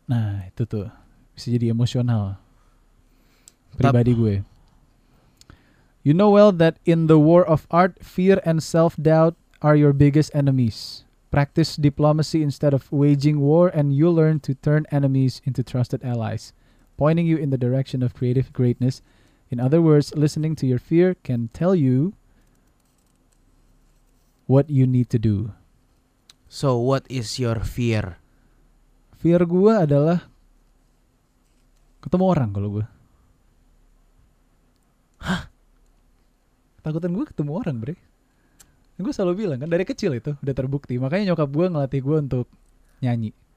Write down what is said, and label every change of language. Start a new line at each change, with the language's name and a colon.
Indonesian: Nah, itu tuh bisa jadi emosional. Pribadi gue.
English: You know well that in the war of art, fear and self-doubt are your biggest enemies. Practice diplomacy instead of waging war and you learn to turn enemies into trusted allies, pointing you in the direction of creative greatness. In other words, listening to your fear can tell you what you need to do. So what is your fear?
Indonesian: Fear gue adalah ketemu orang kalau gue. Hah? Takutan gue ketemu orang, bre. Gue selalu bilang kan dari kecil itu udah terbukti. Makanya nyokap gue ngelatih gue untuk nyanyi.